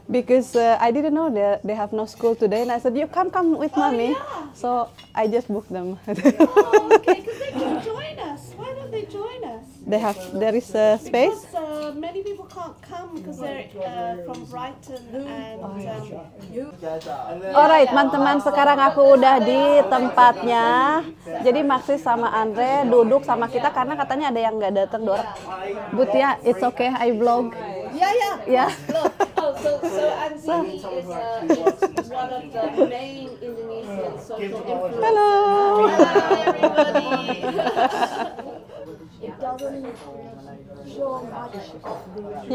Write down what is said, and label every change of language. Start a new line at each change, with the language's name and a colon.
English: Because I didn't know they have no school today, and I said, you come with mommy. Yeah. So I just booked them. Oh, okay, because they can join us. Why don't they join us? There is a space. Because many people can't come because they're from Brighton and.
Indonesian: All right, teman-teman, sekarang aku udah di tempatnya. Jadi Maxi sama Andre duduk sama kita karena katanya ada yang nggak datang.
English: Dora, Butia, it's okay, I vlog. Yeah. So Andini is one of the main Indonesian social hello. Influencers. Hello! Hi, everybody! It doesn't show much of the...